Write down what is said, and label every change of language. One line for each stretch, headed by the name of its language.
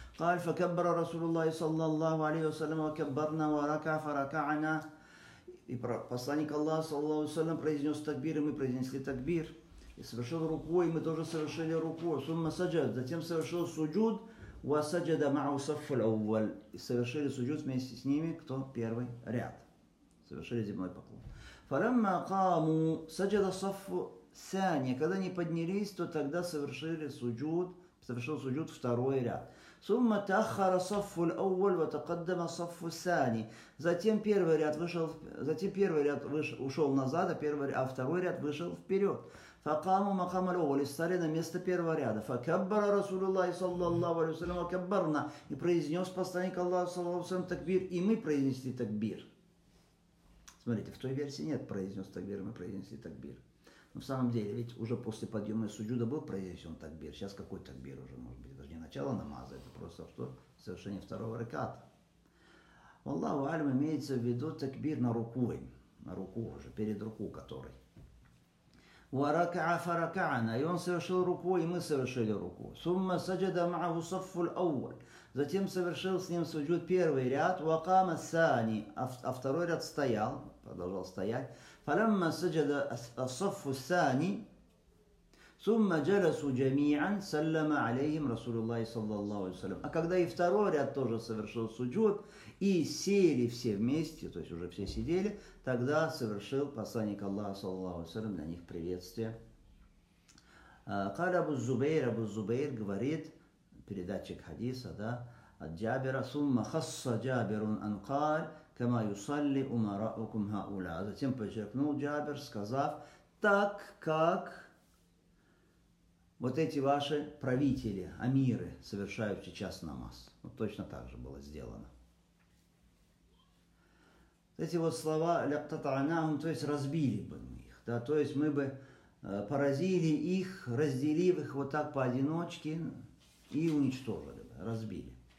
Arabic: قال فكبر رسول الله صلى الله عليه وسلم وكبرنا وركع فركعنا
Russian: и посланник Аллаха саллаллаху алейхи ва саллям произнес такбир, и мы произнесли такбир, и совершил руку, и мы тоже совершили руку,
Arabic: сумма саджад,
Russian: затем совершил суджуд,
Arabic: ва саджада маа саффул аввал,
Russian: и совершили суджуд вместе с ними, кто первый ряд, совершили земной поклон.
Arabic: فلمّا قاموا سجد صف ثاني,
Russian: когда они поднялись, то тогда совершили суджуд, совершил суджуд второй ряд.
Arabic: ثم تأخر صف الأول وتقدم صف الثاني.
Russian: Затем первый ряд вышел, затем первый ряд вышел, ушел назад, а второй ряд вышел вперед.
Arabic: فقاموا مقام الأول,
Russian: стали на место первого ряда.
Arabic: فكبر رسول الله صلى الله عليه وسلم وكبرنا,
Russian: и произнес посланник Аллаха صلى الله عليه وسلم такбир, и мы произнесли такбир. Смотрите, в той версии нет произнес такбир, мы произнесли такбир. Но в самом деле, ведь уже после подъема из суджуда был произнесен такбир. Сейчас какой такбир уже, может быть, даже не начало намаза, это просто что? Совершение второго раката.
Arabic: Валлаху алям,
Russian: имеется в виду такбир на руку, уже, перед руку которой.
Arabic: Варака'а фаракана,
Russian: и он совершил руку, и мы совершили руку.
Arabic: Сумма саджада маху саффуль ауваль.
Russian: Затем совершил с ним суджуд первый ряд,
Arabic: вакама сани,
Russian: а второй ряд стоял, продолжал стоять.
Arabic: فلما سجد الصف الثاني ثم جلسوا جميعا سلم عليهم رسول الله صلى الله عليه وسلم.
Russian: А когда и второй ряд тоже совершил суджуд и сели все вместе, то есть уже все сидели, тогда совершил посланник Аллаха صلى الله عليه وسلم на них приветствие.
Arabic: قال أبو الزبير, أبو الزبير
Russian: говорит, передатчик хадиса, да, от Джабира,
Arabic: ثم خص جابر أن قال كما يصلي أمراءكم هؤلاء.
Russian: Затем подчеркнул Джабир, сказав, так как вот эти ваши правители, амиры, совершают сейчас намаз. Вот точно так же было сделано. Эти вот слова лактатанам, то есть разбили бы мы их, да, то есть мы бы поразили их, разделив их вот так поодиночке и уничтожили бы, разбили.